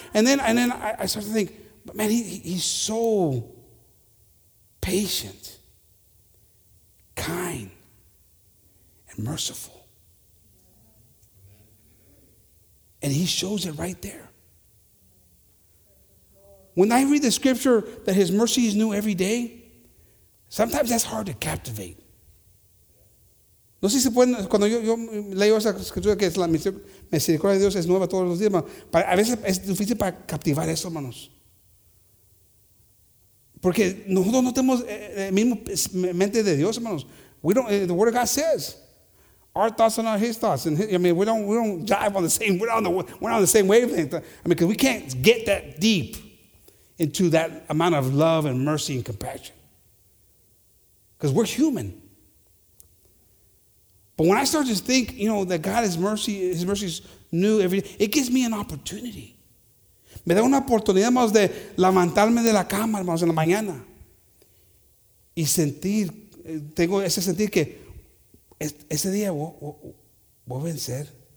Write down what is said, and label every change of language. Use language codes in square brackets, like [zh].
[en] And then I start to think, but man, he's so patient, kind, and merciful. And he shows it right there. When I read the scripture that his mercy is new every day, sometimes that's hard to captivate. [es] No sé si se pueden, cuando yo leo esa escritura que es la misericordia de Dios es nueva todos los días, hermano. A veces es difícil para captivar eso, hermanos. Porque nosotros no tenemos el mismo mente de Dios, hermanos. [en] The word of God says, our thoughts are not his thoughts. And we don't jive on the same, we're not on the same wavelength. I mean, because we can't get that deep into that amount of love and mercy and compassion. Because we're human. But when I start to think, you know, that God is mercy, his mercy is new every day, it gives me an opportunity. [es] Me da una oportunidad, hermanos, de levantarme de la cama, hermanos, en la mañana. Y sentir, tengo ese sentir que ese día voy a vencer.